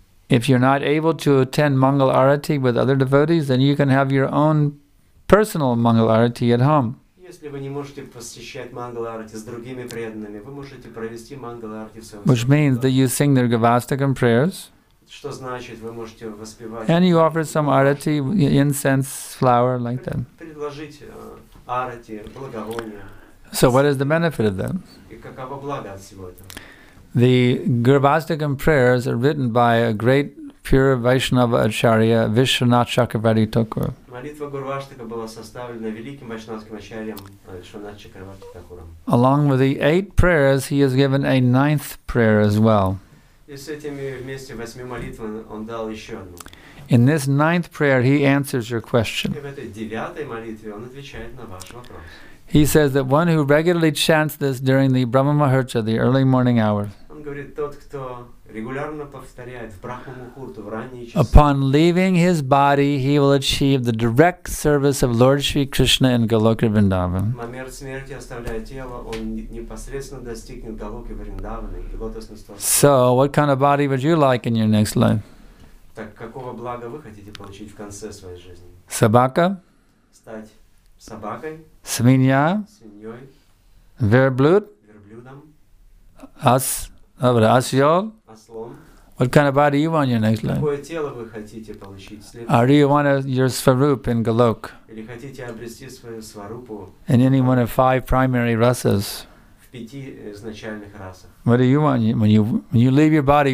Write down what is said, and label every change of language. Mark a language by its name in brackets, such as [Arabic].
[English] If you're not able to attend Mangal Arati with other devotees, then you can have your own personal Mangal Arati at home. [Russian] Если вы не можете посещать Мангаларти с другими преданными, вы можете провести Мангаларти в своем. [English] Which means that you sing their Gavastakam prayers. [Russian] Что значит, вы можете воспевать. [English] And you offer some arati, incense, flower, like that. [Russian] Предложить арати, благовония. [English] So what is the benefit of them? [Russian] И каково благо от всего этого? [English] The Gavastakam prayers are written by a great pure Vaishnava Acharya, Vishwanath Chakravarti Thakur. [Russian] Молитва Гурваштака была составлена великим вайшнавским ачарьем Вишванатхом Чакраварти Такуром. [English] Along with the eight prayers, he has given a ninth prayer as well. [Russian] И с этими вместе восьми молитвами он дал еще одну. [English] In this ninth prayer, he answers your question. [Russian] И в этой девятой молитве он отвечает на ваш вопрос. [English] He says that one who regularly chants this during the Brahma Muhurta, the early morning hour. [Russian] Он говорит, тот, кто регулярно повторяет в Брахма Мухурту в ранние часы. [English] Upon leaving his body, he will achieve the direct service of Lord Shri Krishna in Goloka Vrindavan. [Russian] Момент смерти, оставляя тело, он непосредственно достигнет Голоки Вриндаваны и лотосной стороны. [English] So, what kind of body would you like in your next life? [Russian] Так какого блага вы хотите получить в конце своей жизни? Собака? Стать собакой? Свинья? Свиньей? Верблюд? Верблюдом? Ас? Добре, осел? [English] What kind of body you want in your next life? [Russian] Какое тело вы хотите получить следующее? [English] Or do you want your swarup in Golok? [Russian] Или хотите обрести свою сварупу? [English] In any one of five primary rasas. [Russian] В пяти изначальных расах. [English] What do you want when you leave your body?